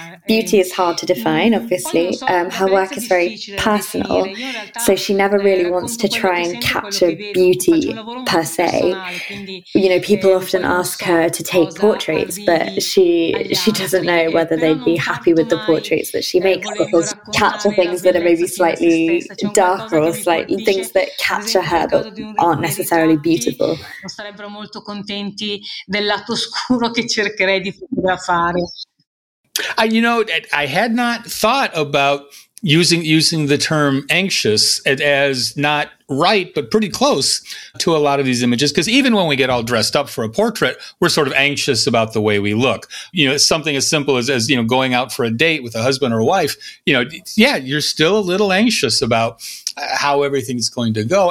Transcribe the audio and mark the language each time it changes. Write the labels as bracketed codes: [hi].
[en] Beauty is hard to define, obviously. Her work is very personal, so she never really wants to try and capture beauty per se. You know, people often ask her to take portraits, but she doesn't know whether they'd be happy with the portraits that she makes, but will capture things that are maybe slightly darker or slightly things that capture her but aren't necessarily beautiful. [it] Non sarebbero molto contenti del lato scuro che cercherei di fotografare. [en] You know, I had not thought about using the term anxious as not right, but pretty close to a lot of these images. Because even when we get all dressed up for a portrait, we're sort of anxious about the way we look. You know, something as simple as you know, going out for a date with a husband or a wife, you know, yeah, you're still a little anxious about how everything's going to go.